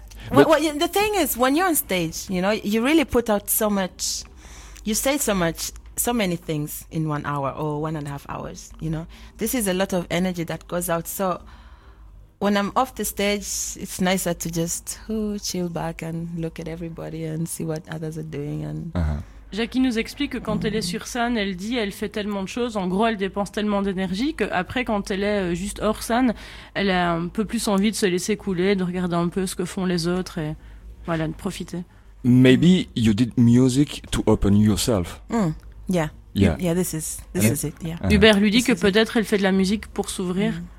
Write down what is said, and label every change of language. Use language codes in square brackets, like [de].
[en] The thing is, when you're on stage, you know, you really put out so much... You say so much so many things in 1 hour or 1.5 hours, you know. This is a lot of energy that goes out. So when I'm off the stage, it's nicer to just chill back and look at everybody and see what others are doing. And [fr] Jackie nous explique que quand elle est sur scène, elle dit elle fait tellement de choses, en gros elle dépense tellement d'énergie que après quand elle est juste hors scène, elle a un peu plus envie de se laisser couler, de regarder un peu ce que font les autres et voilà, de profiter. [en] Maybe you did music to open yourself. Yeah, this is it. [fr] Hubert lui dit que peut-être elle fait de la musique pour s'ouvrir.